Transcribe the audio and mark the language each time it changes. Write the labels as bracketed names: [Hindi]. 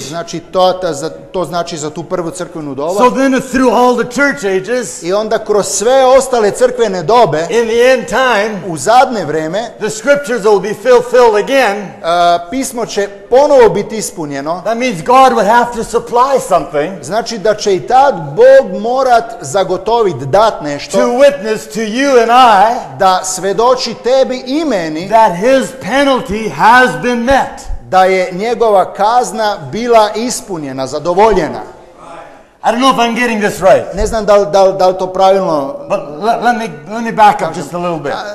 [Croatian] znači to znači za tu prvu crkvenu dobu. [English] So then through all the church ages, [Croatian] i onda kroz sve ostale crkvene dobe, [English] in the end time, [Croatian] u zadnje vrijeme, [English] the scriptures will be fulfilled again, [Croatian] pismo će ponovo biti ispunjeno. [English] That means God would have to supply something, [Croatian] znači da će i tad Bog morat zagotoviti, dat nešto, [English] to witness to you and I, [Croatian] da svedoči tebi i meni, [English] that his penalty has been met, [Croatian] da je njegova kazna bila ispunjena, zadovoljena. [English] I don't know if I'm getting this right. [Croatian] Ne znam da li to pravilno. [English] But let me back up just a little bit.